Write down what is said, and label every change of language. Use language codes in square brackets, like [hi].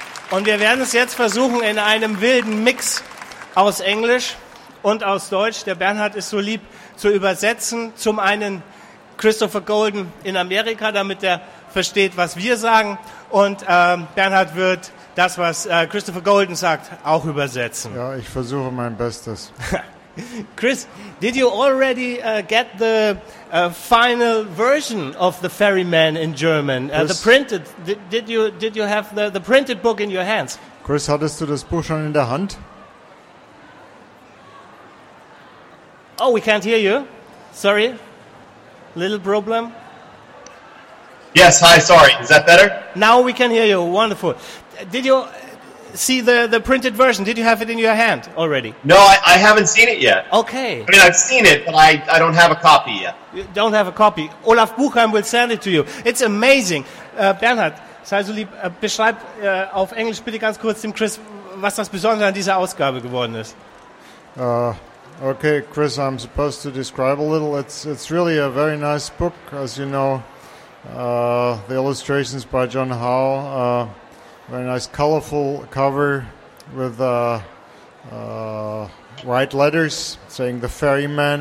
[de] Und wir werden es jetzt versuchen in einem wilden Mix aus Englisch und aus Deutsch. Der Bernhard ist so lieb zu übersetzen, zum einen Christopher Golden in Amerika, damit er versteht, was wir sagen, und Bernhard wird das, was Christopher Golden sagt, auch übersetzen. Ja, ich versuche mein Bestes. [en] Chris, did you already get the final version of The Ferryman in German? The printed? Did you have the printed book in your hands? [de] Chris, hattest du das Buch schon in der Hand? [en] Oh, we can't hear you. Sorry, little problem. Yes, hi. Sorry, is that better? Now we can hear you. Wonderful. Did you see the printed version? Did you have it in your hand already? No, I haven't seen it yet. Okay. I mean, I've seen it, but I don't have a copy yet. You don't have a copy. Olaf Buchheim will send it to you. It's amazing. [de] Bernhard, sei so lieb, beschreib auf Englisch bitte ganz kurz dem Chris, was das Besondere an dieser Ausgabe geworden ist. [en] Okay, Chris, I'm supposed to describe a little. It's really a very nice book, as you know. The illustrations by John Howe. Very nice, colorful cover with white letters saying "The Ferryman."